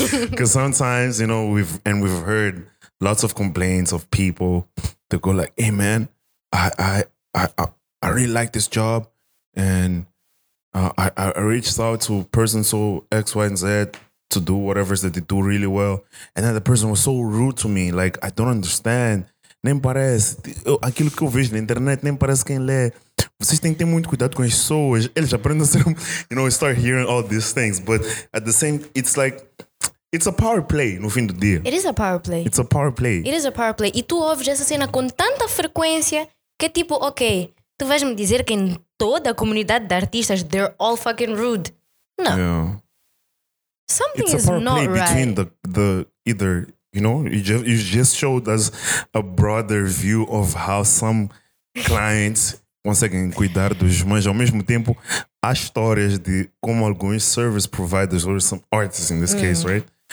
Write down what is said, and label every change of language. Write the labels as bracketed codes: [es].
[en] Because sometimes, you know, we've heard lots of complaints of people that go like, hey, man, I really like this job, and I reached out to person so X, Y, and Z to do whatever that they do really well. And then the person was so rude to me. Like, I don't understand. [pt] Nem parece. Aquilo que eu vejo na internet, nem parece quem lê. Vocês têm que ter muito cuidado com as pessoas. Eles aprendem a ser... [en] You know, start hearing all these things. But at the same, it's like... It's a power play [pt] no fim do dia. [en] It is a power play. It's a power play. It is a power play. [pt] E tu ouves essa cena com tanta frequência que é tipo, ok... Tu vais me dizer que em toda a comunidade de artistas, [en] they're all fucking rude. No. Yeah. Something is not right. It's a power play between the either, you know, you just showed us a broader view of how some clients [pt] conseguem cuidar dos mães. Ao mesmo tempo, há histórias de como alguns [en] service providers or some artists in this case, right?